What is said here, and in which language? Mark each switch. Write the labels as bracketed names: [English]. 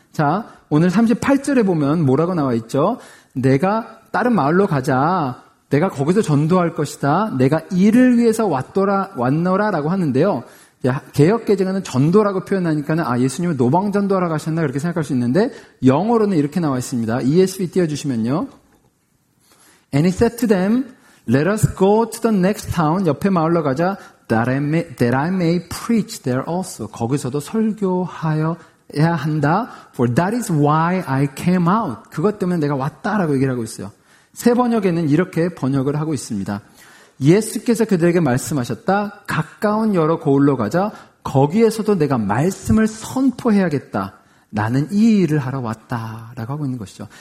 [Korean] 자, 오늘 38절에 보면 뭐라고 나와 있죠? 내가 다른 마을로 가자. 내가 거기서 전도할 것이다. 내가 이를 위해서 왔노라 라고 하는데요. 개역개정에는 전도라고 표현하니까 아 예수님은 노방전도하러 가셨나 그렇게 생각할 수 있는데 영어로는 이렇게 나와 있습니다. ESV 띄워주시면요. [English] And he said to them, let us go to the next town, [Korean] 옆에 마을로 가자, [English] that I may preach there also. [Korean] 거기서도 설교하여야 한다. [English] For that is why I came out. [Korean] 그것 때문에 내가 왔다라고 얘기를 하고 있어요. 새 번역에는 이렇게 번역을 하고 있습니다. 예수께서 그들에게 말씀하셨다. 가까운 여러 고을로 가자. 거기에서도 내가 말씀을 선포해야겠다. 나는 이 일을 하러 왔다. 라고 하고 있는 것이죠.